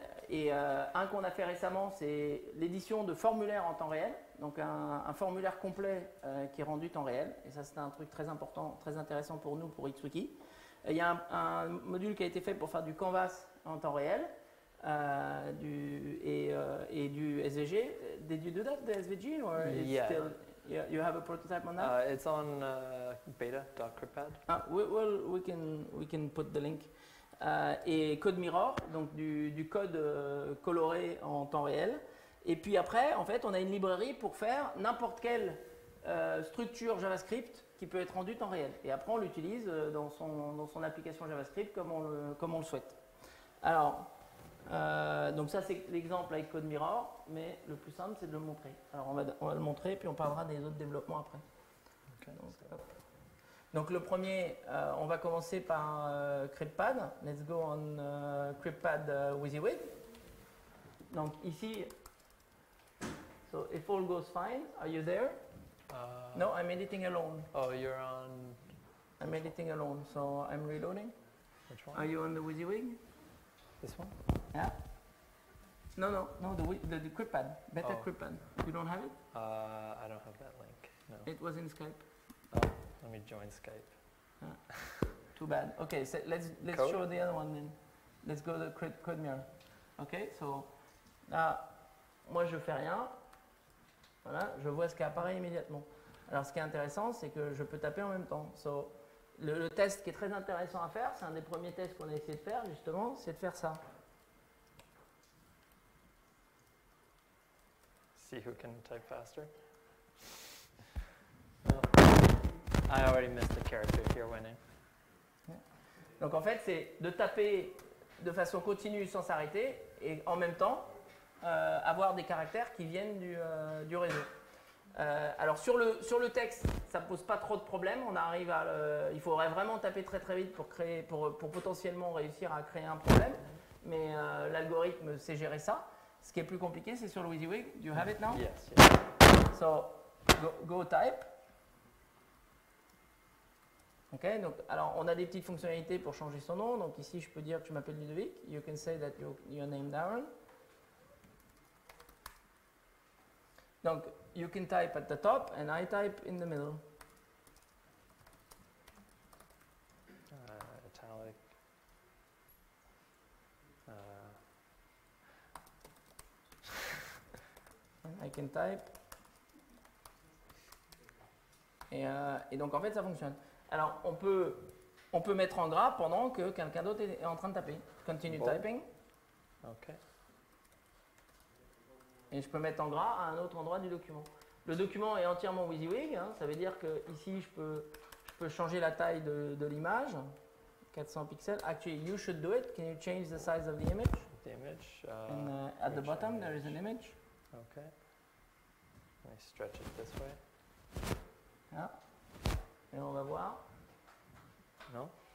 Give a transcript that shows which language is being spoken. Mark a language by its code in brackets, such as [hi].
[fr] Un qu'on a fait récemment, c'est l'édition de formulaires en temps réel, donc un formulaire complet qui est rendu temps réel. Et ça, c'est un truc très important, très intéressant pour nous, pour XWiki. Il y a un module qui a été fait pour faire du canvas en temps réel. Du SVG. [en] Did you do that, the SVG, or it's still you have a prototype on that? It's on beta.cryptpad. We can put the link. [fr] Et code mirror, donc du code coloré en temps réel. Et puis après, en fait, on a une librairie pour faire n'importe quelle structure JavaScript qui peut être rendue temps réel. Et après, on l'utilise dans son application JavaScript comme on le souhaite. Alors, donc ça, c'est l'exemple avec Code Mirror, mais le plus simple, c'est de le montrer. Alors on va le montrer, puis on parlera des autres développements après. Okay, donc le premier, on va commencer par CryptPad. [en] Let's go on CryptPad WYSIWYG. [fr] Donc ici, [en] so if all goes fine, are you there? No, I'm editing alone. Oh, you're on. I'm editing alone, so I'm reloading. Which one? Are you on the WYSIWYG? This one. Yeah. No, the CryptPad, better. Oh. CryptPad. You don't have it? I don't have that link, no. It was in Skype. Oh, let me join Skype. Too bad. Okay, so let's show the other one then. Let's go to the code mirror. Okay, so, [fr] moi je fais rien. Voilà, je vois ce qui apparaît immédiatement. Alors ce qui est intéressant, c'est que je peux taper en même temps. So, le test qui est très intéressant à faire, c'est un des premiers tests qu'on a essayé de faire justement, c'est de faire ça. [en] Who can type faster? I already missed the character. You're winning. [fr] Donc en fait, c'est de taper de façon continue sans s'arrêter et en même temps avoir des caractères qui viennent du réseau. Alors sur le texte, ça ne pose pas trop de problèmes. On arrive à le, il faudrait vraiment taper très très vite pour créer, pour potentiellement réussir à créer un problème. Mais l'algorithme sait gérer ça. Ce qui est plus compliqué, c'est sur le WYSIWYG. [en] Do you have it now? Yes. So, go type. [fr] OK, donc, alors, on a des petites fonctionnalités pour changer son nom. Donc ici, je peux dire que je m'appelle Ludovic. [en] You can say that you're named Aaron. Donc, you can type at the top and I type in the middle. Italic. I can type. [fr] Et donc en fait ça fonctionne. Alors on peut mettre en gras pendant que quelqu'un d'autre est en train de taper. [en] Continue typing. OK. [fr] Et je peux mettre en gras à un autre endroit du document. Le document est entièrement WYSIWYG, hein, ça veut dire que ici je peux changer la taille de l'image, 400 pixels. [en] Actually, you should do it. Can you change the size of the image? The image. And, at the bottom, image? There is an image. Okay. Let me stretch it this way. [fr] Yeah. Et on va voir. [en] No.